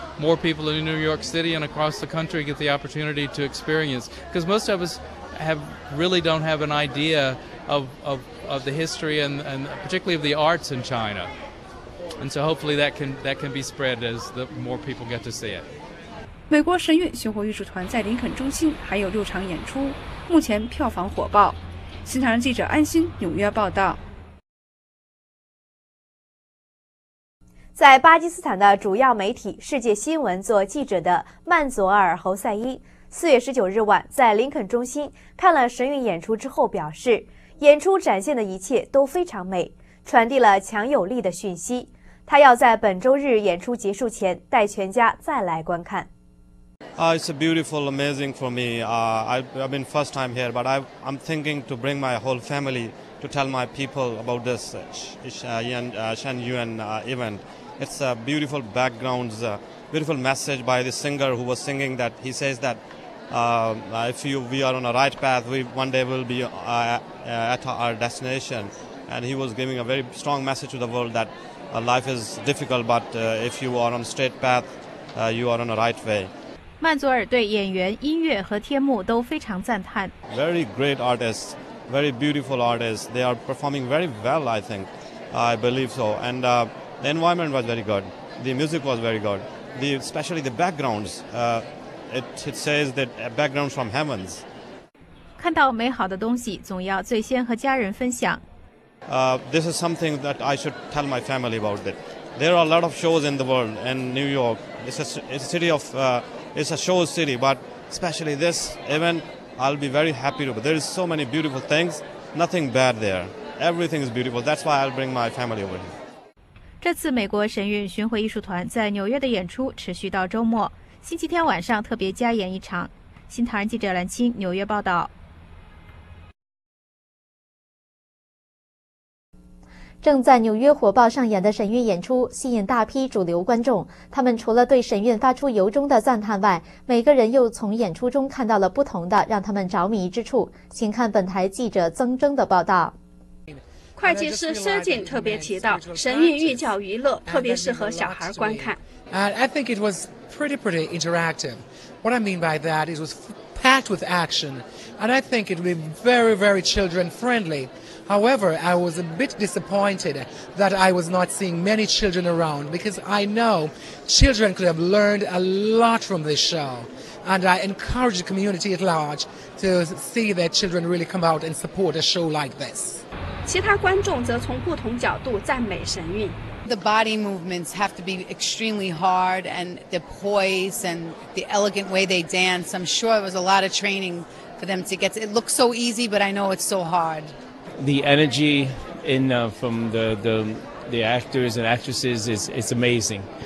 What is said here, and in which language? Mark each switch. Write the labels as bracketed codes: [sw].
[en] More people in New York City and across the country get the opportunity to experience. Because most of us really don't have an idea of the history and particularly of the arts in China. And so hopefully that can be spread as the more people get to see it. [zh] 美国神韵巡回艺术团在林肯中心还有六场演出，目前票房火爆。新唐人记者安心，纽约报道。在巴基斯坦的主要媒体《世界新闻》做记者的曼佐尔·侯赛因，四月十九日晚在林肯中心看了神韵演出之后表示，演出展现的一切都非常美，传递了强有力的讯息。他要在本周日演出结束前带全家再来观看。 [en] It's a beautiful, amazing for me. I've been first time here, but I'm thinking to bring my whole family. To tell my people about this Shen Yuan event. It's a beautiful background, a beautiful message by the singer who was singing that he says that if we are on the right path, we one day will be at our destination. And he was giving a very strong message to the world that life is difficult, but if you are on a straight path, you are on the right way. [zh] 曼佐尔对演员、音乐和天幕都非常赞叹。 [en] Very great artists. Very beautiful artists. They are performing very well, I think. I believe so. And the environment was very good. The music was very good. Especially the backgrounds. It says that backgrounds from heavens. [zh] 看到美好的东西，总要最先和家人分享。 [en] This is something that I should tell my family about it. There are a lot of shows in the world, and New York, it's a show city, but especially this event, I'll be very happy to. But there is so many beautiful things, nothing bad there. Everything is beautiful. That's why I'll bring my family over here. [zh] 这次美国神韵巡回艺术团在纽约的演出持续到周末，星期天晚上特别加演一场。新唐人记者蓝青，纽约报道。正在纽约火爆上演的神韵演出吸引大批主流观众，他们除了对神韵发出由衷的赞叹外，每个人又从演出中看到了不同的让他们着迷之处。请看本台记者曾征的报道。会计师施锦特别提到，神韵寓教于乐，特别适合小孩观看。 [en] I think it was pretty interactive. What I mean by that is it was packed with action, and I think it would be very, very children friendly. However, I was a bit disappointed that I was not seeing many children around because I know children could have learned a lot from this show. And I encourage the community at large to see their children really come out and support a show like this. [zh] 其他观众则从不同角度赞美神韵。 [en] The body movements have to be extremely hard, and the poise and the elegant way they dance. I'm sure it was a lot of training for them to get to. It looks so easy, but I know it's so hard. The energy from the actors and actresses is amazing.